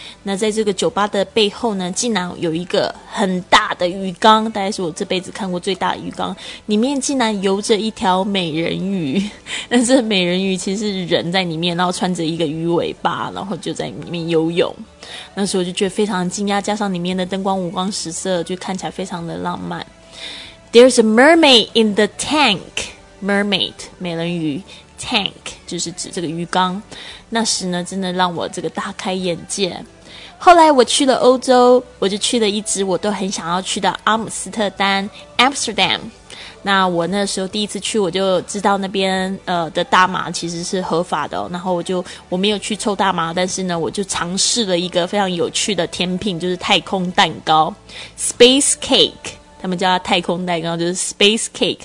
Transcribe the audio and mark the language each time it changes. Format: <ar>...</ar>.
<zh>那在这个酒吧的背后呢，竟然有一个很大的鱼缸，大概是我这辈子看过最大的鱼缸，里面竟然游着一条美人鱼。但是美人鱼其实是人在里面，然后穿着一个鱼尾巴，然后就在里面游泳。那时候就觉得非常惊讶，加上里面的灯光五光十色，就看起来非常的浪漫。</zh> <en>There's a mermaid in the tank.</en> <zh>Mermaid 美人鱼， tank 就是指这个鱼缸。那时呢真的让我这个大开眼界。后来我去了欧洲，我就去了一直我都很想要去的阿姆斯特丹 Amsterdam。那我那时候第一次去，我就知道那边的大麻其实是合法的、哦、然后我没有去抽大麻，但是呢我就尝试了一个非常有趣的甜品，就是太空蛋糕 Space Cake， 他们叫它太空蛋糕，就是 Space Cake。</zh>